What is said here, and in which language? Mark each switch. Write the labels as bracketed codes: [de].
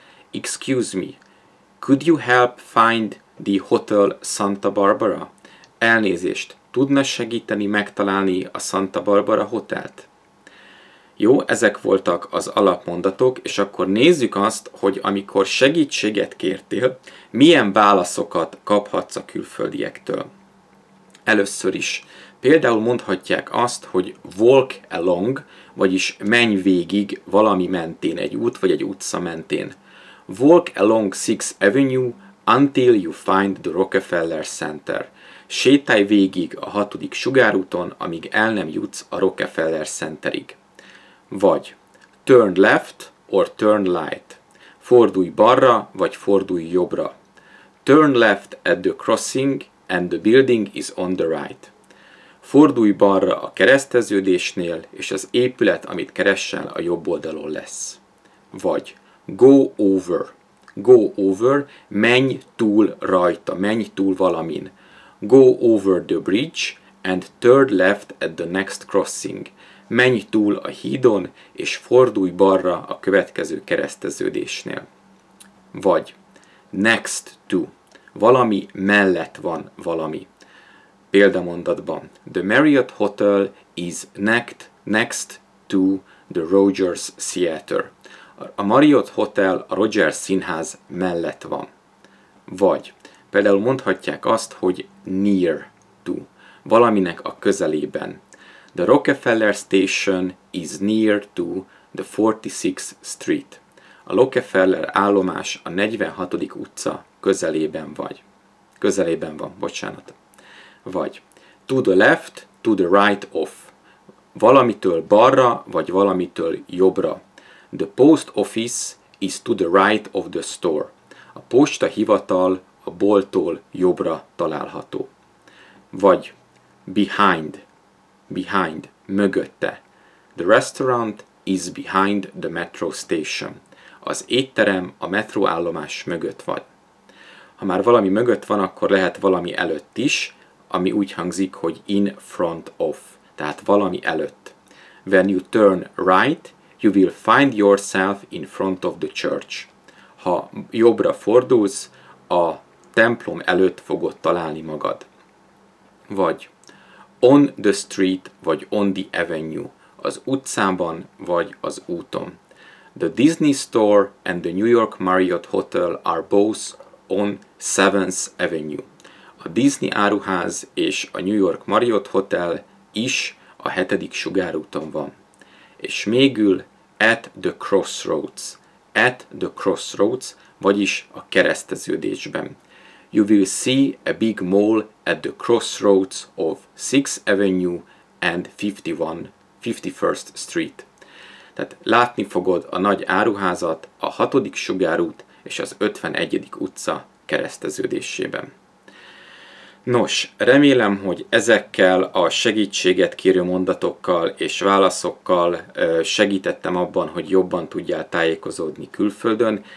[en] Excuse me, could you help find the Hotel Santa Barbara? [hu] Elnézést, tudna segíteni megtalálni a Santa Barbara hotelt? Jó, ezek voltak az alapmondatok, és akkor nézzük azt, hogy amikor segítséget kértél, milyen válaszokat kaphatsz a külföldiektől. Először is, például mondhatják azt, hogy [en] walk along, [hu] vagyis menj végig valami mentén, egy út vagy egy utca mentén. [en] Walk along Sixth Avenue until you find the Rockefeller Center. [hu] Sétálj végig a hatodik sugárúton, amíg el nem jutsz a Rockefeller Centerig. [en] Vagy turn left or turn right. [hu] Fordulj balra, vagy fordulj jobbra. [en] Turn left at the crossing and the building is on the right. [hu] Fordulj balra a kereszteződésnél, és az épület, amit keresel, a jobb oldalon lesz. Vagy [en] Go over. Go over, [hu] menj túl rajta, menj túl valamin. [en] Go over the bridge and turn left at the next crossing. [hu] Menj túl a hídon, és fordulj balra a következő kereszteződésnél. Vagy [en] next to. [hu] Valami mellett van valami. Példamondatban. [en] The Marriott Hotel is next to the Rogers Theater. [hu] A Marriott Hotel a Rogers Színház mellett van. Vagy például mondhatják azt, hogy [en] near to. [hu] Valaminek a közelében. [en] The Rockefeller Station is near to the 46th Street. [hu] A Rockefeller állomás a 46. utca közelében vagy. Közelében van, bocsánat. Vagy [en] to the left, to the right of. [hu] Valamitől balra, vagy valamitől jobbra. [en] The post office is to the right of the store. [hu] A posta hivatal a bolttól jobbra található. Vagy [en] behind. Behind, [hu] mögötte. [en] The restaurant is behind the metro station. [hu] Az étterem a metro állomás mögött van. Ha már valami mögött van, akkor lehet valami előtt is, ami úgy hangzik, hogy [en] in front of, [hu] tehát valami előtt. [en] When you turn right, you will find yourself in front of the church. [hu] Ha jobbra fordulsz, a templom előtt fogod találni magad. Vagy [en] on the street, [hu] vagy [en] on the avenue, [hu] az utcában, vagy az úton. [en] The Disney Store and the New York Marriott Hotel are both on 7th Avenue. [hu] A Disney áruház és a New York Marriott Hotel is a 7. sugárúton van. És mégül [en] at the crossroads. At the crossroads, [hu] vagyis a kereszteződésben. [en] You will see a big mall at the crossroads of 6th Avenue and 51st Street. [hu] Tehát látni fogod a nagy áruházat a 6. sugárút és az 51. utca kereszteződésében. Nos, remélem, hogy ezekkel a segítséget kérő mondatokkal és válaszokkal segítettem abban, hogy jobban tudjál tájékozódni külföldön.